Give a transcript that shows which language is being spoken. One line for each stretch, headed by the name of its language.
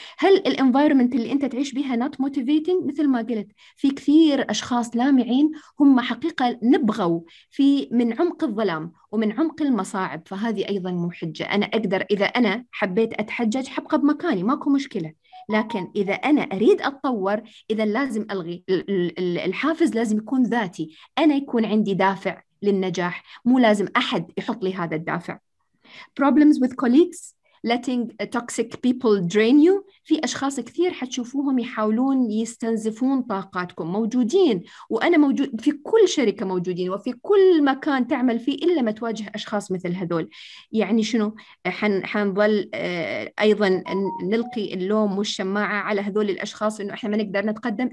Arabic: هل الانفايرمنت اللي انت تعيش بها
English: not motivating؟
Arabic: مثل ما قلت، في كثير اشخاص لامعين هم حقيقه نبغوا في من عمق الظلام ومن عمق المصاعب، فهذه ايضا مو حجه. انا اقدر اذا انا حبيت اتحجج حبقى بمكاني، ماكو مشكله، لكن اذا انا اريد اتطور اذا لازم الغي الحافز، لازم يكون ذاتي انا، يكون عندي دافع للنجاح، مو لازم احد يحط لي هذا الدافع.
English: problems with colleagues, letting toxic people drain you.
Arabic: في أشخاص كثير حتشوفوهم يحاولون يستنزفون طاقاتكم، موجودين، وأنا موجود في كل شركة، موجودين وفي كل مكان تعمل فيه إلا ما تواجه أشخاص مثل هذول. يعني شنو؟ حنظل أيضا نلقي اللوم والشماعة على هذول الأشخاص إنه إحنا ما نقدر نتقدم.